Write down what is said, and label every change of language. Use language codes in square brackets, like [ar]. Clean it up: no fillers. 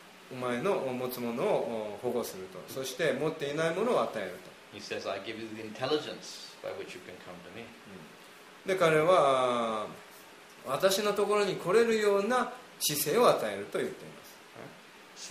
[ja] お前の持つものを保護すると。そして持っていないものを与えると。 [en] He says, I give you the intelligence by which you can come to me. [ja] で、彼は私のところに来れるような知性を与えると言っています。